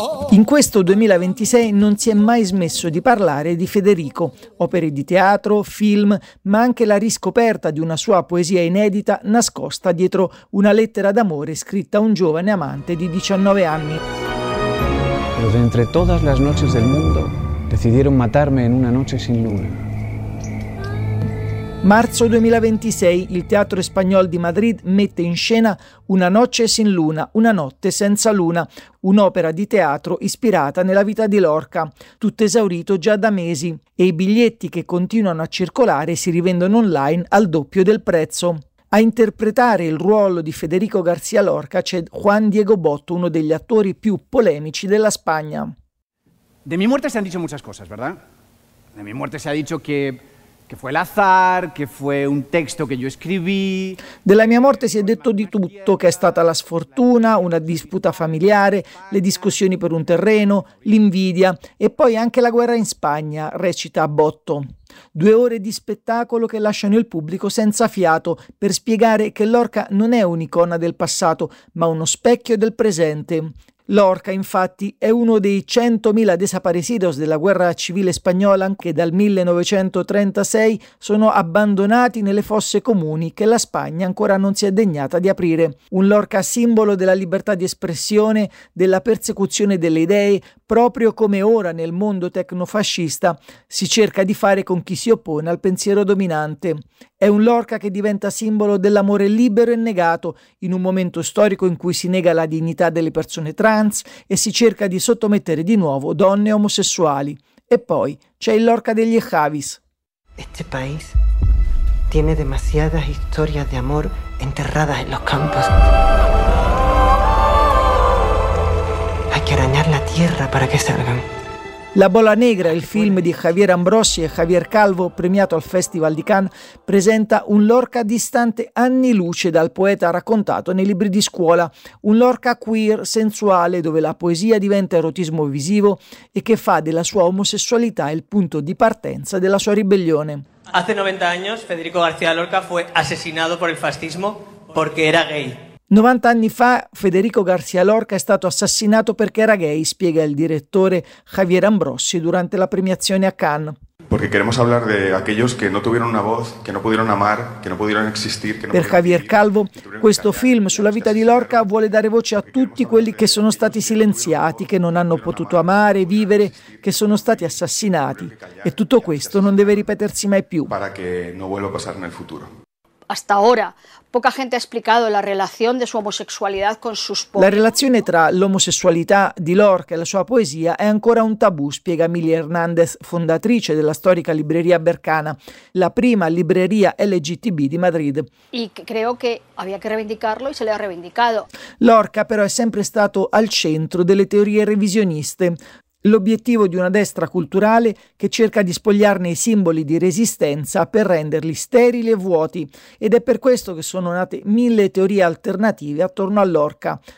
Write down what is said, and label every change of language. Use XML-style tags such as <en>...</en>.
<it>In questo 2026 non si è mai smesso di parlare di Federico. Opere di teatro, film, ma anche la riscoperta di una sua poesia inedita nascosta dietro una lettera d'amore scritta a un giovane amante di 19 anni.</it> <es>Los de entre todas las noches del mundo decidieron matarme en una noche sin luna.</es> <it>Marzo 2026, il Teatro Español di Madrid mette in scena Una noche sin luna, una notte senza luna, un'opera di teatro ispirata nella vita di Lorca, tutto esaurito già da mesi, e i biglietti che continuano a circolare si rivendono online al doppio del prezzo. A interpretare il ruolo di Federico García Lorca c'è Juan Diego Botto, uno degli attori più polemici della Spagna.</it> <es>De mi muerte se han dicho muchas cosas, ¿verdad? De mi muerte se ha dicho que fue el azar, que fue un texto que yo escribí.</es> <it>Della mia morte si è detto di tutto, che è stata la sfortuna, una disputa familiare, le discussioni per un terreno, l'invidia e poi anche la guerra in Spagna, recita Botto. Due ore di spettacolo che lasciano il pubblico senza fiato per spiegare che Lorca non è un'icona del passato, ma uno specchio del presente. Lorca, infatti, è uno dei 100.000 desaparecidos della guerra civile spagnola che dal 1936 sono abbandonati nelle fosse comuni che la Spagna ancora non si è degnata di aprire. Un Lorca simbolo della libertà di espressione, della persecuzione delle idee, proprio come ora nel mondo tecnofascista si cerca di fare con chi si oppone al pensiero dominante. È un Lorca che diventa simbolo dell'amore libero e negato in un momento storico in cui si nega la dignità delle persone trans e si cerca di sottomettere di nuovo donne omosessuali. E poi c'è il Lorca degli Javis.</it> <es>Este país tiene demasiadas historias de amor enterradas en los campos. Hay que arañar la tierra para que salgan.</es> <it>La Bola Negra, il film di Javier Ambrosi e Javier Calvo, premiato al Festival di Cannes, presenta un Lorca distante anni luce dal poeta raccontato nei libri di scuola, un Lorca queer, sensuale, dove la poesia diventa erotismo visivo e che fa della sua omosessualità il punto di partenza della sua ribellione.</it> <es>Hace 90 años, Federico García Lorca fue asesinado por el fascismo porque era gay.</es> <it>90 anni fa Federico García Lorca è stato assassinato perché era gay, spiega il direttore Javier Ambrosi durante la premiazione a Cannes. Perché vogliamo parlare di quelli che non avevano una voce, che non potevano amare, che non potevano esistere. Per Javier Calvo, questo film sulla vita di Lorca vuole dare voce a tutti quelli che sono stati silenziati, che non hanno potuto amare, vivere, che sono stati assassinati. E tutto questo non deve ripetersi mai più.</it> <es>Para que no vuelva a pasar en el futuro. Hasta ahora, poca gente ha explicado la relación de su homosexualidad con sus poemas.</es> <it>La relazione tra l'omosessualità di Lorca e la sua poesia è ancora un tabù, spiega Emilia Hernández, fondatrice della storica libreria Berkana, la prima libreria LGTB di Madrid.</it> <es>Y creo que había que reivindicarlo y se le ha reivindicado.</es> <it>Lorca però è sempre stato al centro delle teorie revisioniste. L'obiettivo di una destra culturale che cerca di spogliarne i simboli di resistenza per renderli sterili e vuoti. Ed è per questo che sono nate mille teorie alternative attorno a Lorca.</it>